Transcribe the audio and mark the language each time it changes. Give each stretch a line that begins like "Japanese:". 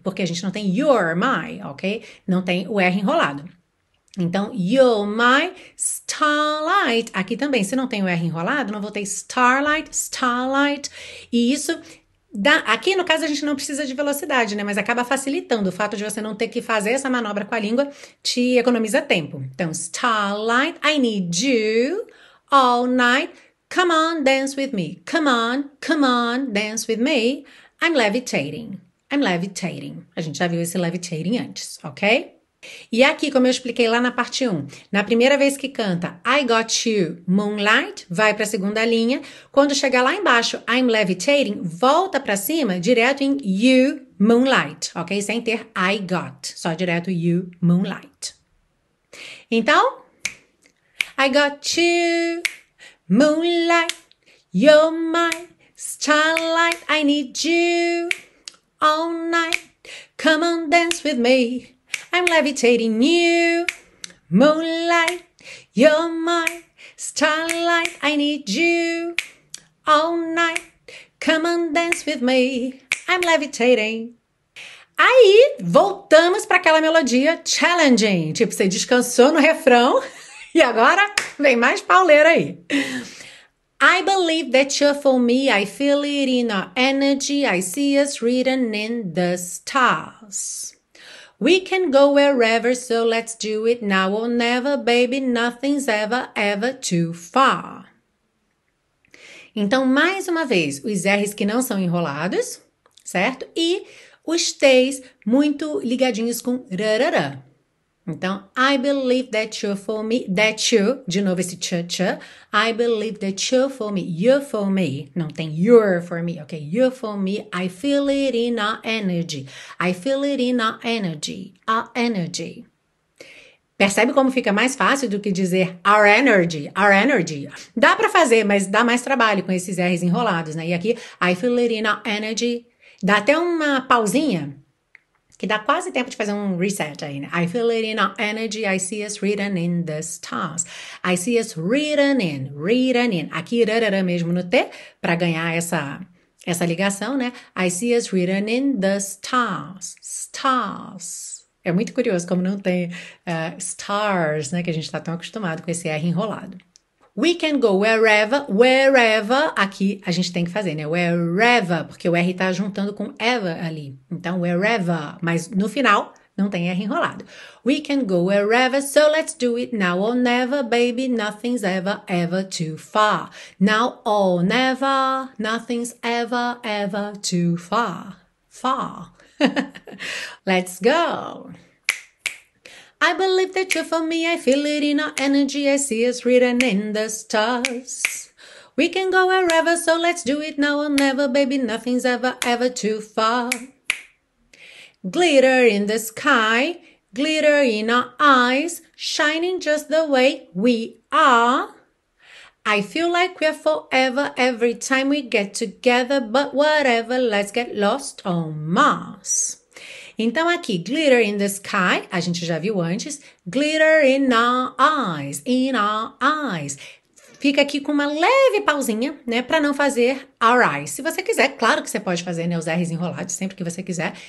Portuguese: Porque a gente não tem
English: you're my,
Portuguese: ok? Não tem o R enrolado.
English: Então, you're my starlight.
Portuguese: Aqui também, se não tem o R enrolado, não vou ter
English: starlight, starlight.
Portuguese: E isso dá. Aqui, no caso, a gente não precisa de velocidade, né? Mas acaba facilitando. O fato de você não ter que fazer essa manobra com a língua te economiza tempo.
English: Então, starlight, I need you all night. Come on, dance with me. Come on, dance with me. I'm levitating. I'm levitating.
Portuguese: A gente já viu esse levitating antes, ok? E aqui, como eu expliquei lá na parte 1, na primeira vez que canta
English: I got you, moonlight,
Portuguese: vai para a segunda linha. Quando chegar lá embaixo,
English: I'm levitating,
Portuguese: volta para cima direto em
English: you, moonlight,
Portuguese: ok? Sem ter
English: I got,
Portuguese: só direto
English: you, moonlight. Então, I got you, moonlight, you're my starlight, I need you all night, come on, dance with me. I'm levitating you, moonlight. You're my starlight. I need you all night. Come on, dance with me. I'm levitating.
Portuguese: Aí voltamos para aquela melodia challenging, tipo, você descansou no refrão e agora vem mais pauleira aí.
English: I believe that you're for me, I feel it in our energy, I see us written in the stars. We can go wherever, so let's do it now or never, baby, nothing's ever, ever too far.
Portuguese: Então, mais uma vez, os R's que não são enrolados, certo? E os T's muito ligadinhos com rarara.
English: Então, I believe that you're for me, that you,
Portuguese: de novo esse cha-cha.
English: I believe that you're for me,
Portuguese: não tem
English: you're for me, ok? You're for me, I feel it in our energy. I feel it in our energy, our energy.
Portuguese: Percebe como fica mais fácil do que dizer
English: our energy, our energy?
Portuguese: Dá para fazer, mas dá mais trabalho com esses R's enrolados, né? E aqui,
English: I feel it in our energy.
Portuguese: Dá até uma pausinha, que dá quase tempo de fazer um reset aí, né?
English: I feel it in our energy, I see us written in the stars. I see us written in.
Portuguese: Aqui, rarara mesmo no T, para ganhar essa ligação, né?
English: I see us written in the stars. Stars.
Portuguese: É muito curioso como não tem stars, né? Que a gente está tão acostumado com esse R enrolado.
English: We can go wherever, wherever.
Portuguese: Aqui a gente tem que fazer, né?
English: Wherever,
Portuguese: porque o R tá juntando com ever ali. Então,
English: wherever.
Portuguese: Mas no final, não tem R enrolado.
English: We can go wherever, so let's do it now or never, baby. Nothing's ever, ever too far. Now or never, nothing's ever, ever too far. Far. Let's go. I believe that you're for me, I feel it in our energy, I see us written in the stars. We can go wherever, so let's do it now or never, baby, nothing's ever, ever too far. Glitter in the sky, glitter in our eyes, shining just the way we are. I feel like we're forever every time we get together, but whatever, let's get lost on Mars.
Portuguese: Então, aqui,
English: glitter in the sky,
Portuguese: a gente já viu antes.
English: Glitter in our eyes.
Portuguese: Fica aqui com uma leve pausinha, né, para não fazer
English: our eyes.
Portuguese: Se você quiser, claro que você pode fazer, né, os R's enrolados sempre que você quiser.